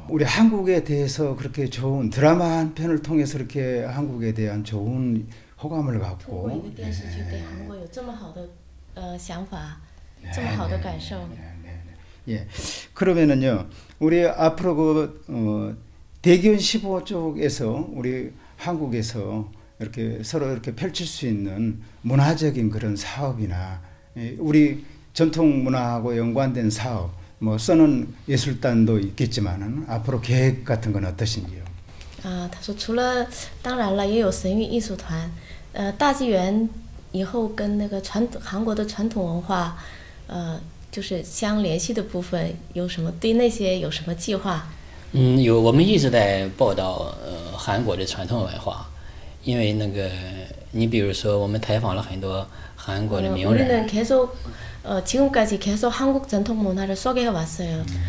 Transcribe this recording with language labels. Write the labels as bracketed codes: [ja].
[ko] 우리한국에대해서그렇게좋은드라마한편을통해서이렇게한국에대한좋은호감을갖고 [zh] 通过一个电视剧对韩国有这么好的想法，这么好的感受。 [ko] 예그러면은요우리앞으로그대기원15쪽에서우리한국에서이렇게서로이렇게펼칠수있는문화적인그런사업이나우리전통문화하고연관된사업뭐써는예술단도있겠지만은앞으로계획같은건어떠신지요 [zh] 아他说除了当然了也有神韵艺术团大纪元以后跟那个传统韩国的传统文化就是相联系的部分有什么对那些有什么计划有，我们一直在报道韩国的传统文化，因为那个，你比如说，我们采访了很多韩国的名人。 [ko] 우리는 계속 지금까지 계속 한국 전통 문화를 소개해 왔어요.